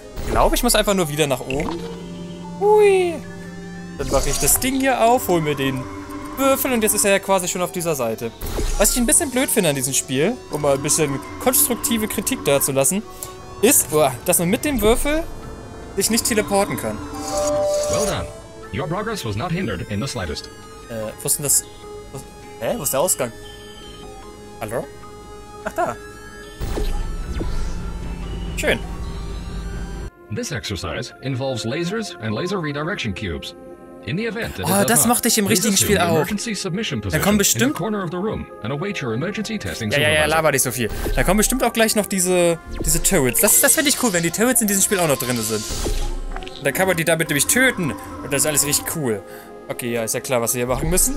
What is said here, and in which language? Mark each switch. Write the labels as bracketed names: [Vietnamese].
[German] Ich glaube, ich muss einfach nur wieder nach oben. Hui. Dann mache ich das Ding hier auf, hol mir den Würfel und jetzt ist er ja quasi schon auf dieser Seite. Was ich ein bisschen blöd finde an diesem Spiel, um mal ein bisschen konstruktive Kritik dazulassen, ist, dass man mit dem Würfel sich nicht teleporten kann. [English] Well done. Your progress was not hindered in the slightest. [German] Wo ist denn das? Wo ist der Ausgang? Hallo? Ach, da. Schön. [English] This exercise involves lasers and laser redirection cubes. In the event that [German] oh, das machte ich im richtigen Spiel auch. Da kommen bestimmt. Ja, laber nicht so viel. Da kommen bestimmt auch gleich noch diese Turrets. Das finde ich cool, wenn die Turrets in diesem Spiel auch noch drin sind. Dann kann man die damit nämlich töten. Und das ist alles richtig cool. Okay, ja, ist ja klar, was wir hier machen müssen.